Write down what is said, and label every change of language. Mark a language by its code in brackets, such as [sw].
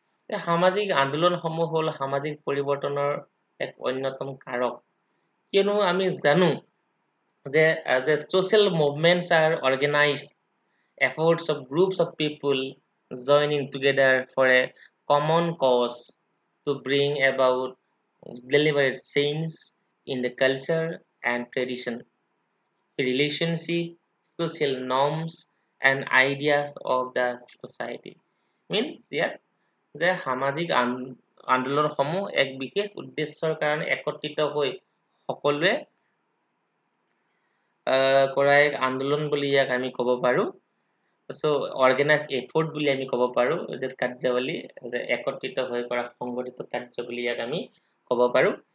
[as] এই সামাজিক আন্দোলনসমূহ হ'ল সামাজিক পৰিৱৰ্তনৰ এক অন্যতম কাৰক, কিয়নো আমি জানো যে [en] Social movements are organised efforts of groups of people joining together for a common cause to bring about deliberate change in the culture and tradition. Relationship, social norms and ideas of the society. Means, yeah, the [as] সামাজিক আন্দোলনসমূহ এক বিশেষ উদ্দেশ্যৰ কাৰণে একত্ৰিত হৈ সকলোৱে কৰা এক আন্দোলন বুলি ইয়াক আমি ক'ব পাৰোঁ। [en] so' organise effort [as] বুলি আমি ক'ব পাৰোঁ, যে কাৰ্যাৱলী যে একত্ৰিত হৈ কৰা সংগঠিত কাৰ্য বুলি ইয়াক আমি ক'ব পাৰোঁ।